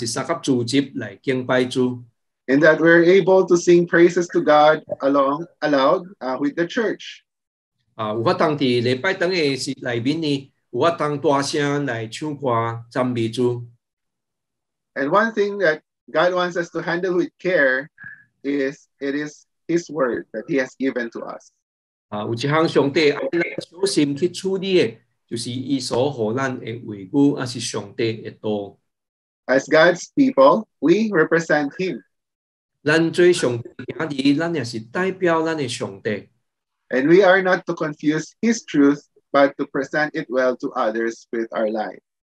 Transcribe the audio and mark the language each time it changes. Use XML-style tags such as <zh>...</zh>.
<nan>我相信咱真侪人呢，也真正怀念，咱已经真久无搁再有法当像是三甲组织来敬拜主。</nan> <en>In that we're able to sing praises to God aloud with the church.</en> <nan>有法当在礼拜堂的内面呢，有法当大声来唱歌赞美主。</nan> <en>And one thing that God wants us to handle with care is it is His word that He has given to us.</en> <nan>有一项上帝要小心去处理的，就是伊所给咱的话语，还是上帝的道。</nan> <en>As God's people, we represent Him.</en> <nan>咱做上帝兄弟，咱也是代表咱的上帝。</nan> <en>And we are not to confuse His truth, but to present it well to others with our life.</en>